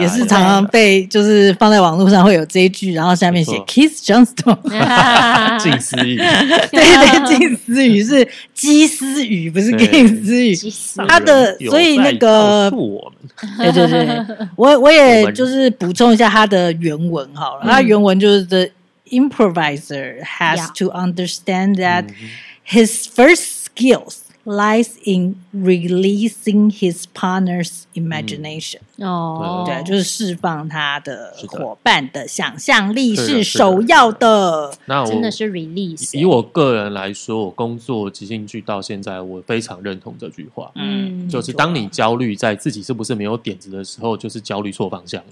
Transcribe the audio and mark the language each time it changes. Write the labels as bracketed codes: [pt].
[zh] 也是常常被就是放在网络上会有这一句，然后下面写 Kiss Johnston 近思语对对，近思语是鸡思语不是 Kiss 语，他的所以那个对对对，我也就是补充一下他的原文好了，嗯，他原文就是 [en] The improviser has to understand that his first skills lies in releasing his partner's imagination，嗯，哦， [zh] 对，就是释放他的伙伴的想象力是首要的。那我真的是 release，欸，以我个人来说，我工作即兴剧到现在我非常认同这句话，嗯，就是当你焦虑在自己是不是没有点子的时候，就是焦虑错方向了，